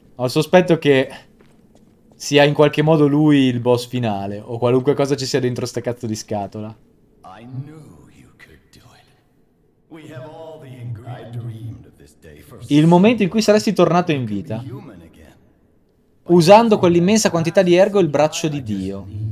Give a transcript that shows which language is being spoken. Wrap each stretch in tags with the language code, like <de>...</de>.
<it>Ho il sospetto che sia in qualche modo lui il boss finale, o qualunque cosa ci sia dentro sta cazzo di scatola.</it> <en>I knew you could do it. We have all the ingredients. I dreamed of this day for...</en> <it>Il momento in cui saresti tornato in vita, usando quell'immensa quantità di ergo e il braccio di Dio.</it>